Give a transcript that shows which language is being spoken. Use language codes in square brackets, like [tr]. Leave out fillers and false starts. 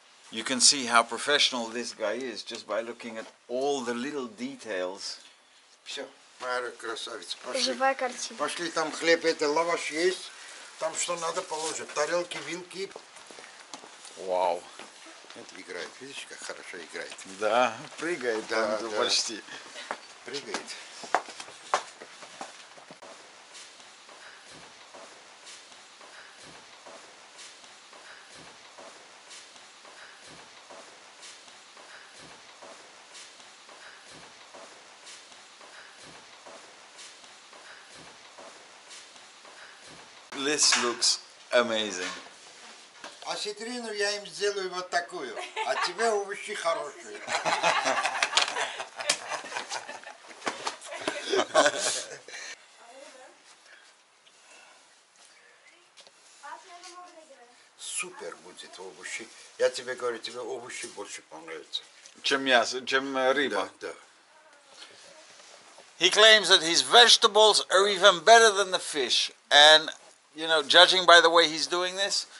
[en] You can see how professional this guy is just by looking at all the little details. [ru] Все, моя красавица, пошли. Живая картина. Пошли, там хлеб, это лаваш есть. Там что надо положить, тарелки, вилки. Вау. Это играет, видишь, как хорошо играет. Да, прыгает, да, да, почти. Прыгает. [en] This looks amazing. [ru] А ситрину я им сделаю вот такую, а тебе овощи хорошие. Супер будет овощи. Я тебе говорю, тебе овощи больше понравятся. Чем мясо, чем рыба. Да, да. [en] He claims that his vegetables are even better than the fish. And you know, judging by the way he's doing this,